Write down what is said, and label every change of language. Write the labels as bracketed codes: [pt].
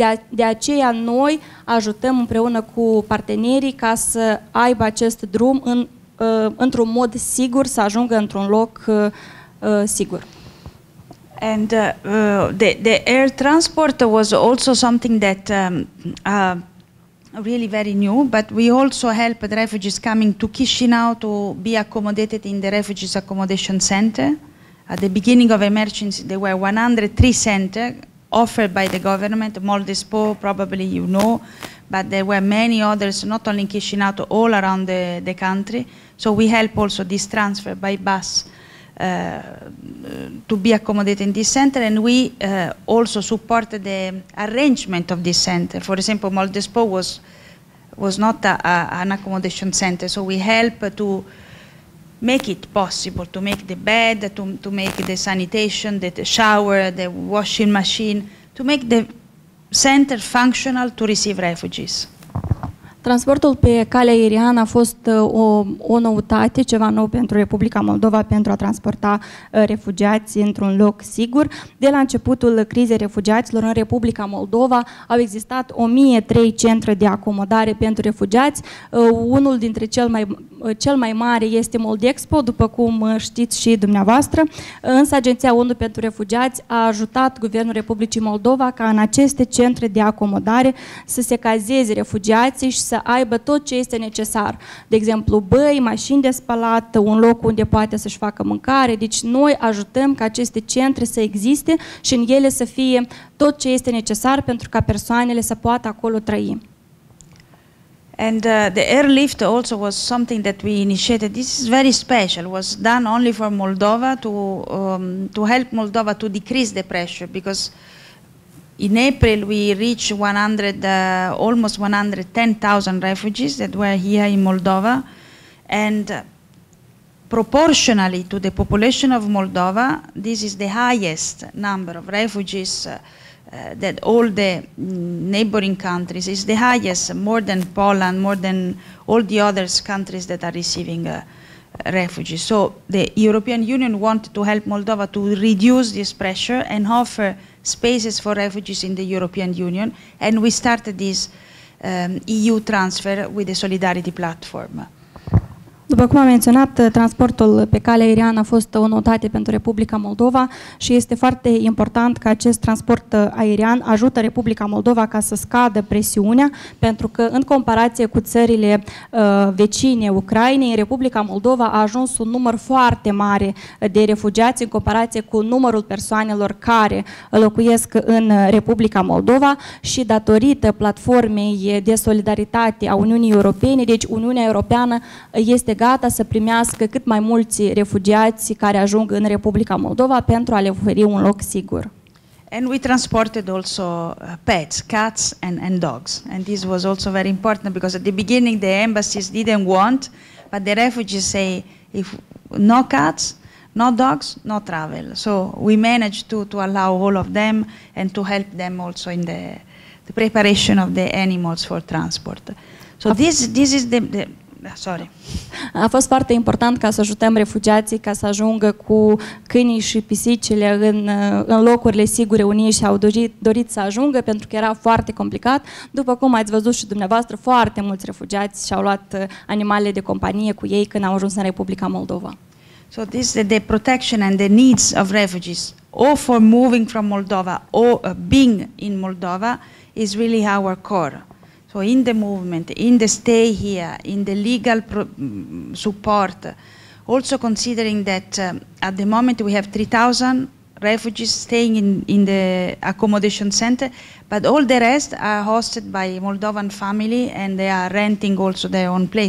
[ro] de aceea noi ajutăm împreună cu partenerii ca să aibă acest drum într-un mod sigur să ajungă într-un loc sigur. [en] And the air transport was also something that really very new, but we also help the refugees coming to Chișinău to be accommodated in the refugees accommodation center. At the beginning of emergency there were 103 centers offered by the government, Moldespo probably you know, but there were many others not only in Chișinău all around the country. So we help also this transfer by bus to be accommodated in this center, and we also support the arrangement of this center. For example, Moldespo was not an accommodation center, so we help to make it possible, to make the bed, to make the sanitation, the shower, the washing machine, to make the center functional to receive refugees. [ro] Transportul pe calea aeriană a fost o noutate, ceva nou pentru Republica Moldova, pentru a transporta refugiați într-un loc sigur. De la începutul crizei refugiaților în Republica Moldova au existat 1003 centre de acomodare pentru refugiați. Unul dintre cel mai mare este Moldexpo, după cum știți și dumneavoastră. Însă Agenția ONU pentru Refugiați a ajutat Guvernul Republicii Moldova ca în aceste centre de acomodare să se cazeze refugiații și să aibă tot ce este necesar. De exemplu, băi, mașini de spălat, un loc unde poate să-și facă mâncare. Deci noi ajutăm ca aceste centre să existe și în ele să fie tot ce este necesar pentru ca persoanele să poată acolo trăi. [en] And the airlift also was something that we initiated. This is very special. It was done only for Moldova to help Moldova to decrease the pressure because in April we reached almost 110,000 refugees that were here in Moldova, and proportionally to the population of Moldova, this is the highest number of refugees that all the neighboring countries, is the highest, more than Poland, more than all the other countries that are receiving refugees. So the European Union wanted to help Moldova to reduce this pressure and offer spaces for refugees in the European Union, and we started this EU transfer with the Solidarity Platform. [ro] După cum am menționat, transportul pe cale aeriană a fost o noutate pentru Republica Moldova și este foarte important că acest transport aerian ajută Republica Moldova ca să scadă presiunea, pentru că în comparație cu țările vecine Ucrainei, Republica Moldova a ajuns un număr foarte mare de refugiați în comparație cu numărul persoanelor care locuiesc în Republica Moldova și datorită platformei de solidaritate a Uniunii Europene, deci Uniunea Europeană este gata să primească cât mai mulți refugiați care ajung în Republica Moldova pentru a le oferi un loc sigur. [en] And we transported also pets, cats and dogs. And this was also very important because at the beginning the embassies didn't want, but the refugees say, if no cats, no dogs, no travel. So we managed to allow all of them and to help them also in the preparation of the animals for transport. So this is the sorry. [ro] A fost foarte important ca să ajutăm refugiații ca să ajungă cu câinii și pisicile în locurile sigure unii și au dorit să ajungă pentru că era foarte complicat. După cum ați văzut și dumneavoastră, foarte mulți refugiați și-au luat animale de companie cu ei când au ajuns în Republica Moldova. [en] So this is the protection and the needs of refugees or for moving from Moldova or being in Moldova is really our core. So in the movement, in the stay here, in the legal support, also considering that at the moment we have 3,000 refugees staying in the accommodation center, but all the rest are hosted by Moldovan family and they are renting also their own place.